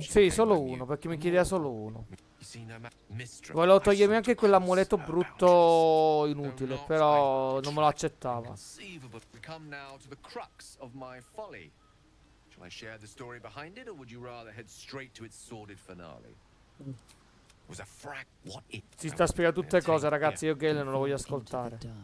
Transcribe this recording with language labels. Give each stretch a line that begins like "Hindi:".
Italian: Sì, solo uno, perché mi chiedeva solo uno. Volevo togliermi anche quell'amuleto brutto inutile, però non me lo accettava.
English: Come now to the crux of my folly. Shall I share the story behind it, or would you rather head straight to its sordid finale?
Italian: Si sta spiegando tutte cose, ragazzi. Io Gale non lo voglio ascoltare.